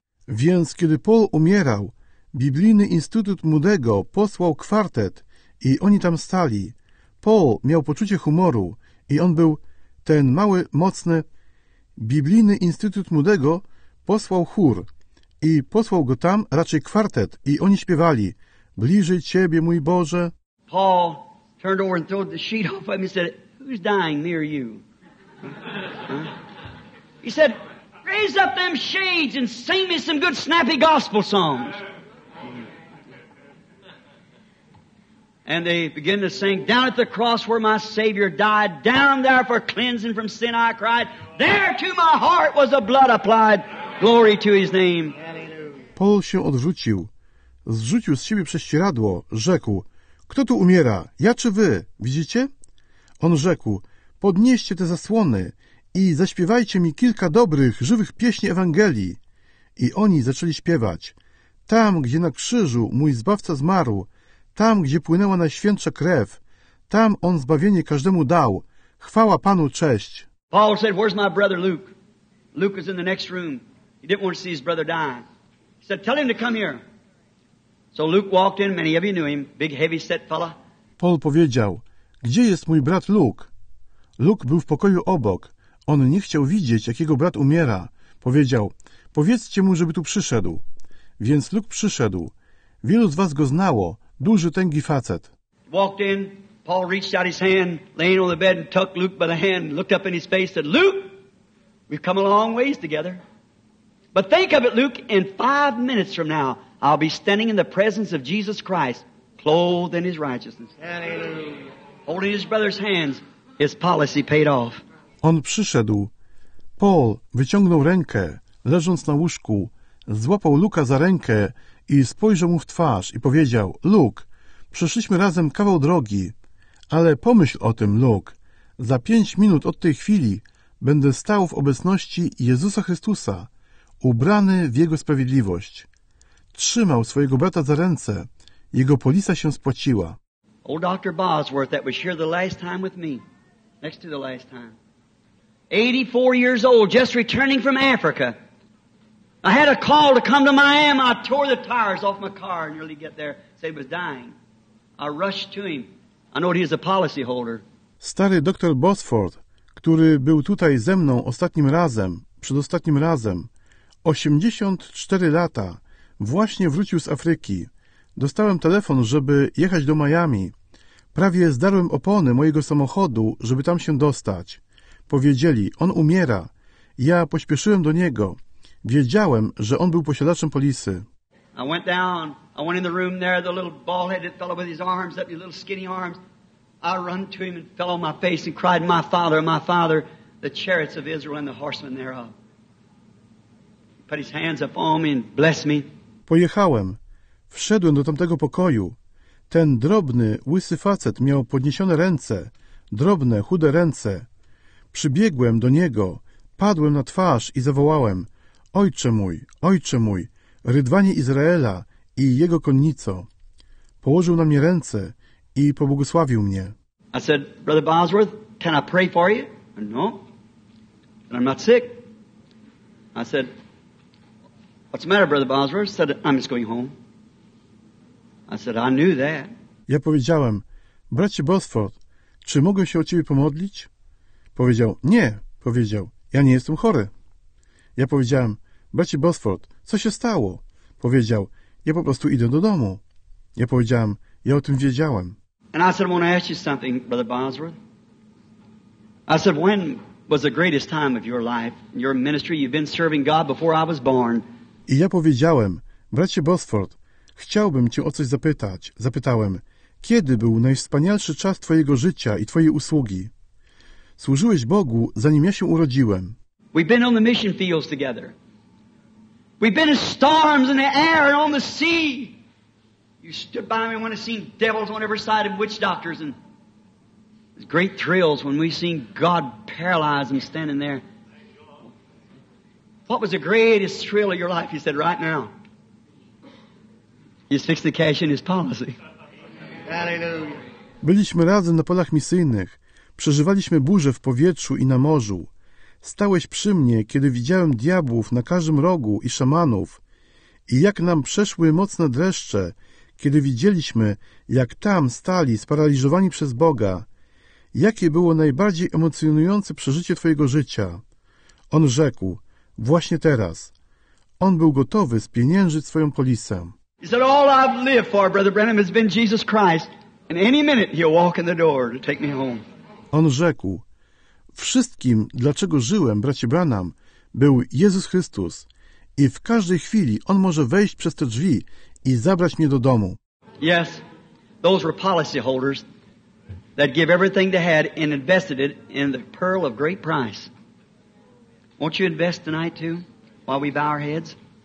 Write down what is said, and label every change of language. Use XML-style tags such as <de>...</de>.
<pl>Więc kiedy Paul umierał, Biblijny Instytut Moody'ego posłał kwartet i oni tam stali. Paul miał poczucie humoru i on był ten mały, mocny, Biblijny Instytut Moody'ego posłał chór i posłał go tam, raczej kwartet, i oni śpiewali Bliżej Ciebie, mój Boże.</pl> <en>Paul turned over and threw the sheet off him and said, who's dying near you? He said, raise up them shades and sing me some good snappy gospel songs. And they begin to sing, down at the cross where my Savior died, down there for cleansing from sin I cried, there to my heart was the blood applied, glory to his name.</en> <pl>Paul się odrzucił, zrzucił z siebie prześcieradło, rzekł, kto tu umiera, ja czy wy, widzicie? On rzekł, podnieście te zasłony i zaśpiewajcie mi kilka dobrych, żywych pieśni Ewangelii. I oni zaczęli śpiewać. Tam, gdzie na krzyżu mój Zbawca zmarł, tam, gdzie płynęła najświętsza krew, tam On zbawienie każdemu dał. Chwała Panu, cześć.</pl> <en>Paul said, where's my brother Luke? Luke was in the next room. He didn't want to see his brother die. He said, tell him to come here. So Luke walked in, many of you knew him, big heavy set fella.</en> <pl>Paul powiedział, gdzie jest mój brat Luke? Luke był w pokoju obok. On nie chciał widzieć, jak jego brat umiera. Powiedział, powiedzcie mu, żeby tu przyszedł. Więc Luke przyszedł. Wielu z was go znało. Duży, tęgi facet.</pl> <en>Walked in, Paul reached out his hand, laying on the bed and tucked Luke by the hand, looked up in his face, said, Luke, we've come a long ways together. But think of it, Luke, in 5 minutes from now, I'll be standing in the presence of Jesus Christ, clothed in his righteousness. Hallelujah. Holding his brother's hands, his policy paid off.</en> <pl>On przyszedł. Paul wyciągnął rękę, leżąc na łóżku, złapał Luka za rękę i spojrzał mu w twarz i powiedział, Luke, przeszliśmy razem kawał drogi, ale pomyśl o tym, Luke, za 5 minut od tej chwili będę stał w obecności Jezusa Chrystusa, ubrany w Jego sprawiedliwość. Trzymał swojego brata za ręce, jego polisa się spłaciła.</pl> <en>Old Dr. Bosworth, that was here the last time with me, next to the last time. 84 years old, just returning from Africa. I had a call to come to Miami. I tore the tires off my car and nearly get there. Said he was dying. I rushed to him. I know he is a policy holder.</en> <pl>Stary dr Bosworth, który był tutaj ze mną ostatnim razem, przedostatnim razem, 84 lata, właśnie wrócił z Afryki. Dostałem telefon, żeby jechać do Miami. Prawie zdarłem opony mojego samochodu, żeby tam się dostać. Powiedzieli, on umiera. Ja pośpieszyłem do niego. Wiedziałem, że on był posiadaczem polisy.</pl> <en>I went down. I went in the room there, the little bald-headed fellow with his arms up, his little skinny arms. I run to him and fell on my face and cried, my father, the chariots of Israel and the horsemen thereof. Put his hands upon me and blessed me.</en> <pl>Pojechałem. Wszedłem do tamtego pokoju. Ten drobny, łysy facet miał podniesione ręce. Drobne, chude ręce. Przybiegłem do niego. Padłem na twarz i zawołałem. Ojcze mój, Rydwanie Izraela i jego konnico. Położył na mnie ręce i pobłogosławił mnie.</pl> <en>I said, Brother Bosworth, can I pray for you? No. And I'm not sick. I said, what's the matter, Brother Bosworth? I said, I'm just going home. I said, I knew that.</en> <pl>Ja powiedziałem, bracie Bosworth, czy mogę się o ciebie pomodlić? Powiedział, nie, powiedział, ja nie jestem chory. Ja powiedziałem, bracie Bosworth, co się stało? Powiedział, ja po prostu idę do domu. Ja powiedziałem, ja o tym wiedziałem.</pl> <en>And I said, I want to ask you something, Brother Bosworth. I said, when was the greatest time of your life, your ministry? You've been serving God before I was born.</en> <pl>I ja powiedziałem, bracie Bosworth, chciałbym cię o coś zapytać. Zapytałem, kiedy był najwspanialszy czas twojego życia i twojej usługi? Służyłeś Bogu, zanim ja się urodziłem.</pl> <en>We've been on the mission fields together. We've been in storms in the air and on the sea. You stood by me when I seen devils on every side of witch doctors. And there's great thrills when we seen God paralyze them standing there. What was the greatest thrill of your life? He said, right now. He's fixed the cash in his policy. Hallelujah.</en> <pl>Byliśmy razem na polach misyjnych. Przeżywaliśmy burze w powietrzu i na morzu. Stałeś przy mnie, kiedy widziałem diabłów na każdym rogu i szamanów. I jak nam przeszły mocne dreszcze, kiedy widzieliśmy, jak tam stali sparaliżowani przez Boga. Jakie było najbardziej emocjonujące przeżycie twojego życia? On rzekł, właśnie teraz. On był gotowy spieniężyć swoją polisę.</pl> <en>He said, all I've lived for, Brother Branham, has been Jesus Christ. And any minute he'll walk in the door to take me home.</en> <pl>On rzekł, wszystkim, dlaczego żyłem, bracie Branham, był Jezus Chrystus i w każdej chwili On może wejść przez te drzwi i zabrać mnie do domu.</pl> <en>Yes, those were policy holders that gave everything they had and invested it in the pearl of great price. Won't you invest tonight too, while we bow our heads?</en>